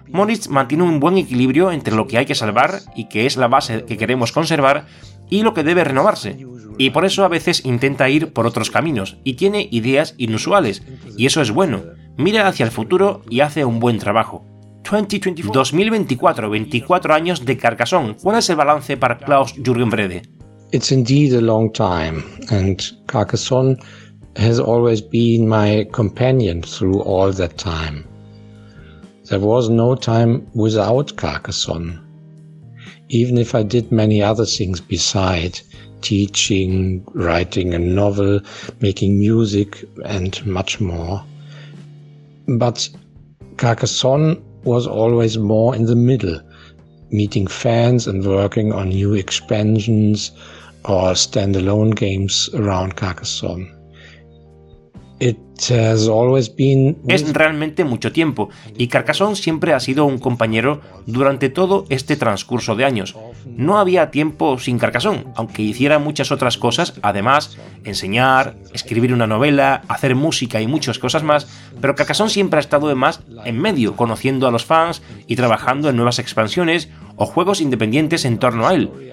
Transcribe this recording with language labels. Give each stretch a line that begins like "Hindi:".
Spanish: Moritz mantiene un buen equilibrio entre lo que hay que salvar y que es la base que queremos conservar y lo que debe renovarse. Y por eso a veces intenta ir por otros caminos, y tiene ideas inusuales, y eso es bueno. Mira hacia el futuro y hace un buen trabajo. 2024, 24 años de Carcassonne. ¿Cuál es el balance para Klaus-Jürgen Wrede?
English: It's indeed a long time, and Carcassonne has always been my companion through all that time. There was no time without Carcassonne. Even if I did many other things beside, teaching, writing a novel, making music, and much more. But Carcassonne was always more in the middle, meeting fans and working on new expansions or standalone games around Carcassonne. It has always been...
Spanish: Es realmente mucho tiempo, y Carcassonne siempre ha sido un compañero durante todo este transcurso de años. No había tiempo sin Carcassonne, aunque hiciera muchas otras cosas, además, enseñar, escribir una novela, hacer música y muchas cosas más, pero Carcassonne siempre ha estado además en medio, conociendo a los fans y trabajando en nuevas expansiones o juegos independientes en torno a él.